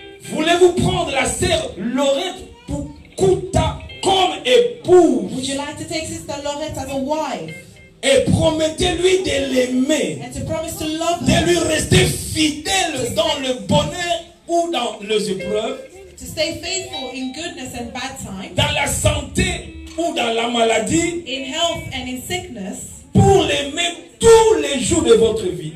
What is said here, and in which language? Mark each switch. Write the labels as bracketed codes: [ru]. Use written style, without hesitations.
[fr] Voulez-vous prendre la sœur Laurette pour Kuta comme épouse? [en] Would you like to take Sister Laurette as a wife? [fr] Et promettez-lui de l'aimer. [en] And to promise to love her. [fr] De lui rester fidèle dans le bonheur ou dans les épreuves. [en] To stay faithful in goodness and bad times. [fr] Dans la santé ou dans la maladie. [en] In health and in sickness. [fr] Pour l'aimer tous les jours de votre vie.